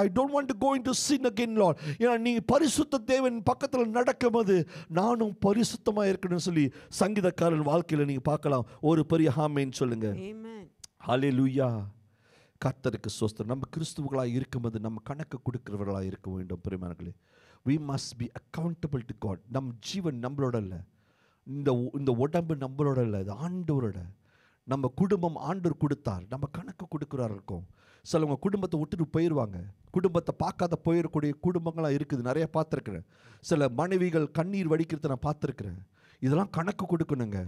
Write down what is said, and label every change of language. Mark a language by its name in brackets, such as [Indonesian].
[English] I don't want to go into sin again Lord. [Tamil] ஏன்னா நீங்க பரிசுத்த தேவன் பக்கத்துல நடக்கும் போது நானும் பரிசுத்தமா இருக்கணும்னு சொல்லி சங்கீதக்காரன் வாழ்க்கையில நீங்க பார்க்கலாம். ஒரு பெரிய ஆமென் சொல்லுங்க. ஹல்லேலூயா. கர்த்தருக்கு ஸ்தோத்திரம். நம்ம கிறிஸ்துவர்களாக இருக்கும்போது நம்ம கணக்கு கொடுக்கிறவர்களாக இருக்க வேண்டும். பெருமானங்களே, [English] we must be accountable to God. [Tamil] நம் ஜீவன் நம்மளோட இல்லை, இந்த உடம்பு நம்மளோட இல்லை, இது ஆண்டவரோட. நம்ம குடும்பம் ஆண்டவர் கொடுத்தார், நம்ம கணக்கு கொடுக்குறாருக்கும். சிலவங்க குடும்பத்தை விட்டுட்டு போயிடுவாங்க, குடும்பத்தை பார்க்காத போயிடக்கூடிய குடும்பங்களாக இருக்குது, நிறையா பார்த்துருக்குறேன். சில மனைவிகள் கண்ணீர் வடிக்கிறத நான் பார்த்துருக்குறேன். இதெல்லாம் கணக்கு கொடுக்கணுங்க.